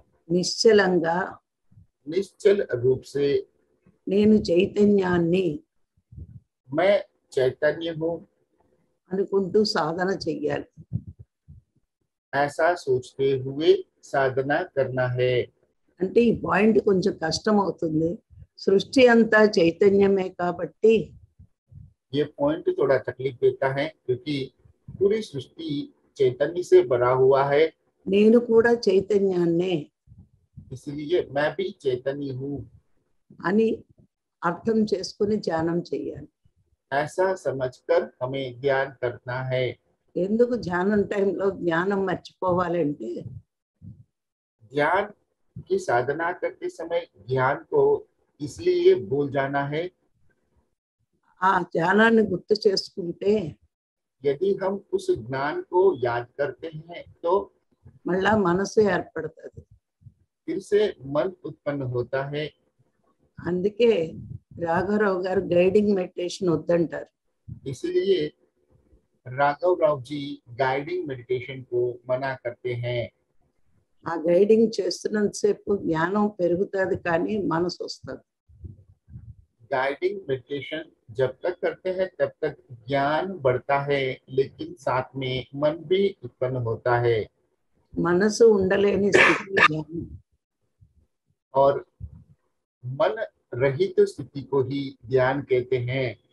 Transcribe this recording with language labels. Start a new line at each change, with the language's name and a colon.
Telugu: निश्चलंगा
Hindi: निश्चल रूप से
Telugu: నేను చైతన్యాన్ని
Hindi: मैं चैतन्य हूँ
Telugu: అనుకుంటూ సాధన చేయాలి,
Hindi: ऐसा सोचते हुए साधना करना है।
Telugu: అంటే ఈ పాయింట్ కొంచెం కష్టం అవుతుంది, సృష్టి అంతా చైతన్యమే కాబట్టి
Hindi: ये पॉइंट थोड़ा तकलीफ देता है क्योंकि पूरी सृष्टि चैतन्य से भरा हुआ है।
Telugu: నేను కూడా చైతన్యాన్ని
Hindi: इसलिए मैं भी चैतन्य हूँ
Telugu: అని అర్థం చేసుకొని ధ్యానం చేయాలి,
Hindi: ऐसा समझकर हमें ध्यान करना है।
Telugu: ఎందుకు ధ్యానం టైంలో జ్ఞానం మర్చిపోవాలంటే
Hindi: ध्यान की साधना करते समय ध्यान को इसलिए भूल जाना है।
Telugu: ధ్యానాన్ని గుర్తు చేసుకుంటే
Hindi: यदि हम उस ज्ञान को याद करते हैं तो
Telugu: मल्ला మనసు ఏర్పడుతది,
Hindi: फिर से मन उत्पन्न होता है।
Telugu: అందుకే రాఘవరావు గారు గైడింగ్ మెడిటేషన్ వద్దంటారు,
Hindi: इसलिए राघव राव जी गाइडिंग मेडिटेशन को मना करते हैं।
Telugu: ఆ గైడింగ్ చేస్తున్నంతసేపు జ్ఞానం పెరుగుతది కానీ మనసు వస్తది।
Hindi: गाइडिंग मेडिटेशन जब तक करते हैं तब तक ज्ञान बढ़ता है लेकिन साथ में मन भी उत्पन्न होता है।
Telugu: मनस उंडलेनी स्थिति ज्ञान
Hindi: और मन रहित स्थिति को ही ध्यान कहते हैं।